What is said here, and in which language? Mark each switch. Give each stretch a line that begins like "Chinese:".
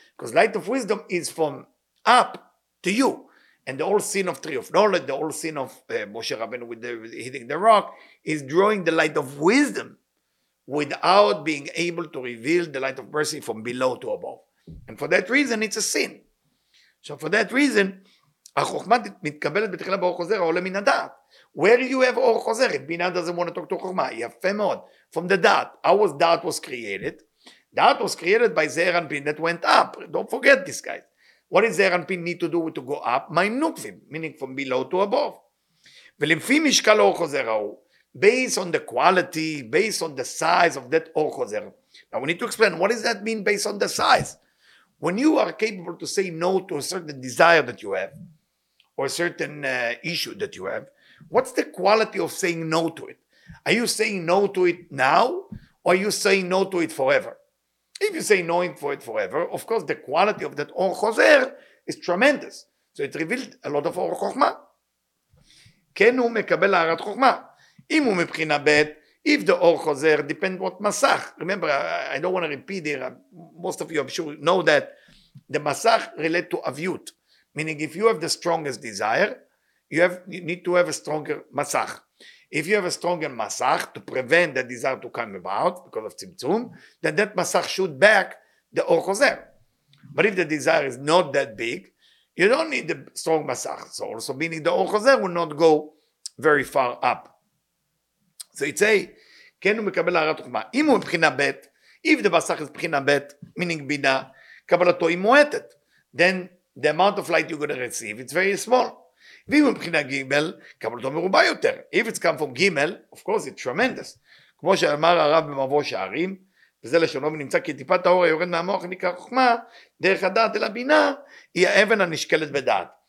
English: Because light of wisdom is from up to you. And the whole scene of tree of knowledge, the whole scene of Moshe Rabbeinu with the, hitting the rock, is drawing the light of wisdom without being able to reveal the light of mercy from below to above. And for that reason, it's a sin. So for that reason,
Hebrew: החוכמה מתקבלת בתחילה באור חוזר, העולה מן הדעת.
English: Where do you have אור חוזר? If בינה doesn't want to talk to חוכמה,
Hebrew: יפה מאוד.
English: From the דעת, how was דעת was created? דעת was created by זהר אנפין that went up. Don't forget this guy. What does זהר אנפין need to do to go up? מים נוקבים, meaning from below to above.
Hebrew: ולפי משקל אור חוזר ההוא,
English: based on the quality, based on the size of that אור חוזר. Now we need to explain, what does that mean based on the size? When you are capable to say no to a certain desire that you have, or a certain issue that you have, what's the quality of saying no to it? Are you saying no to it now, or are you saying no to it forever? If you say no for it forever, of course the quality of that Or Chozer is tremendous. So it revealed a lot of Or Chochma.
Hebrew: Ken hu mekabel harat chochma. Im hu mebchina bet,
English: if the Or Chozer depends what Masach. Remember, I don't want to repeat here. Most of you, I'm sure, know that the Masach relate to Aviut. Meaning, if you have the strongest desire, you need to have a stronger Masach. If you have a stronger Masach to prevent the desire to come about because of Tzimtzum, then that Masach should back the Or Chozer. But if the desire is not that big, you don't need the strong Masach. So also meaning the Or Chozer will not go very far up. So it's a,
Hebrew: כן הוא מקבל הערת חוכמה. אם הוא מבחינה בית,
English: if the Masach is
Hebrew: מבחינה בית, meaning בינה, קבלתו היא מועטת.
English: Then the amount of light you're going to receive, it's very small.
Hebrew: ואם מבחינה גימל, קבלתו מרובה יותר.
English: If it's come from גימל, of course it's tremendous.
Hebrew: כמו שאמר הרב במבוא שערים, וזה לשונו ונמצא כי טיפת האור היורד מהמוח נקרא חוכמה, דרך הדעת אל הבינה, היא האבן הנשקלת בדעת.